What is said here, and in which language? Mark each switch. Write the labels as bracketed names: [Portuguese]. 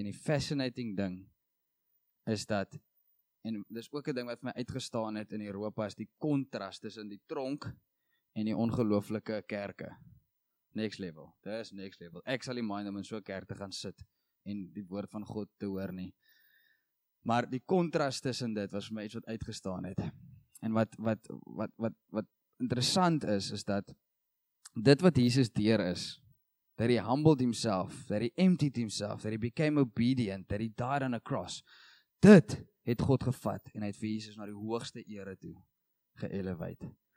[Afrikaans] En die fascinating ding is dat, en dis ook 'n ding wat my uitgestaan het in Europa, is die kontrast tussen die tronk en die ongelooflike kerke. Next level, dit is next level. Ek sal nie mind om in so 'n kerk te gaan sit en die woord van God te hoor nie. Maar die kontrast tussen dit was vir my iets wat uitgestaan het. En wat interessant is, is dat dit wat Jesus deur is, [English] that he humbled himself, that he emptied himself, that he became obedient, that he died on a cross. [Afrikaans] Dit het God gevat en hy het vir Jesus na die hoogste ere toe geëlevate.